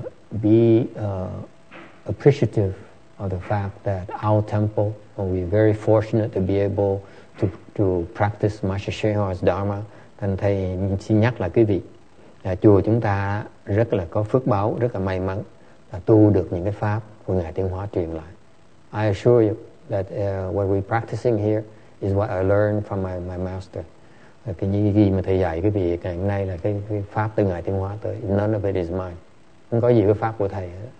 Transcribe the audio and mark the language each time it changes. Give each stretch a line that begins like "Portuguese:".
English: So be appreciative of the fact that our temple, we're very fortunate to be able to practice Master Shenghua's Dharma.
Vietnamese: Thành thầy xin nhắc là quý vị, là chùa chúng ta rất là có phước báo, rất là may mắn là tu được những cái pháp của Ngài Tiên Hóa truyền lại.
English: I assure you that what we're practicing here is what I learned from my master.
Vietnamese: Cái những gì mà thầy dạy quý vị ngày hôm nay là cái pháp từ Ngài Tiên Hóa tới.
English: None of it is mine.
Vietnamese: Không có gì cái pháp của thầy.